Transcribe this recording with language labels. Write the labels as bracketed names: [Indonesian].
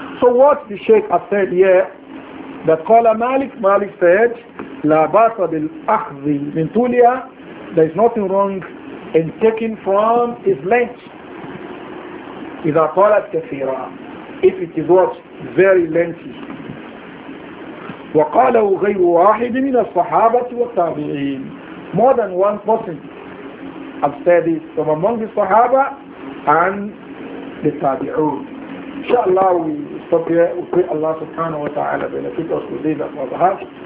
[English] So what the Sheikh has said here, that Qala Malik said, [Arabic] لا باس بالأخذ من طولها, [English] there is nothing wrong in taking from his length. [Arabic] إذا طالت كثيرا, [English] if it is what? Very lengthy. [Arabic] وقاله غير واحد من الصحابة والتابعين. [English] More than one person have said this from among the Sahaba and the Tabi'un. Inshallah, we stop here. We pray Allah subhanahu wa ta'ala benefit us with this and that.